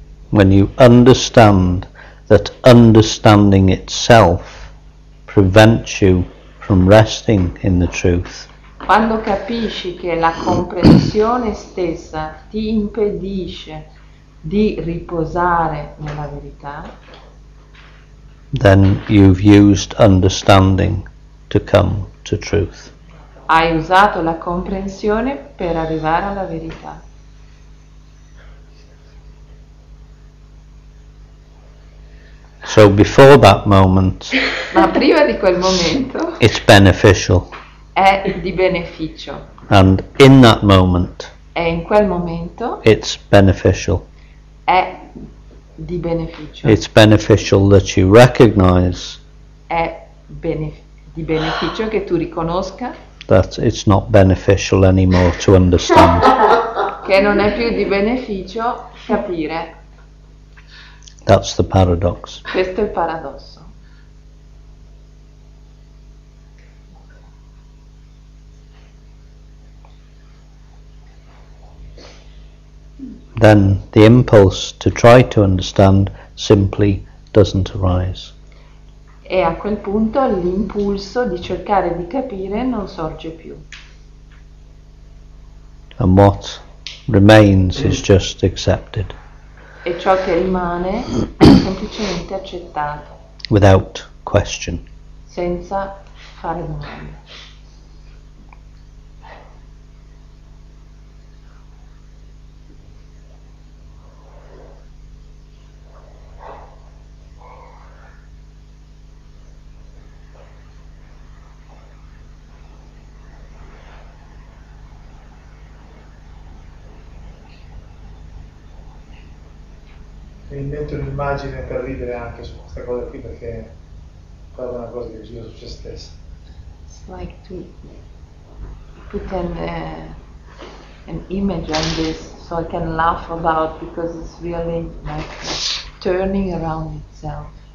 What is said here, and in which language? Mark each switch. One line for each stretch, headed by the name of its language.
English: When you understand that understanding itself prevents you from resting in the truth,
Italian: quando capisci che la comprensione stessa ti impedisce di riposare nella verità,
English: then you've used understanding to come to truth.
Italian: Hai usato la comprensione per arrivare alla verità.
English: So before that moment,
Italian: ma prima di quel momento,
English: it's beneficial.
Italian: È di beneficio.
English: And in that moment,
Italian: è in quel momento,
English: it's beneficial.
Italian: È di beneficio.
English: It's beneficial that you recognize.
Italian: È di beneficio che tu riconosca.
English: That it's not beneficial anymore to understand.
Italian: Che non è più di beneficio capire.
English: That's the paradox.
Italian: Questo è il paradosso.
English: Then the impulse to try to understand simply doesn't arise.
Italian: E a quel punto l'impulso di cercare di capire non sorge più.
English: And what remains is just accepted.
Italian: E ciò che rimane è semplicemente accettato.
English: Without question.
Italian: Senza fare domande. Invento un'immagine per ridere anche su questa cosa qui perché guarda una cosa che gira su se stessa.
English: It's like to put an image on this so I can laugh about because it's really like turning around itself.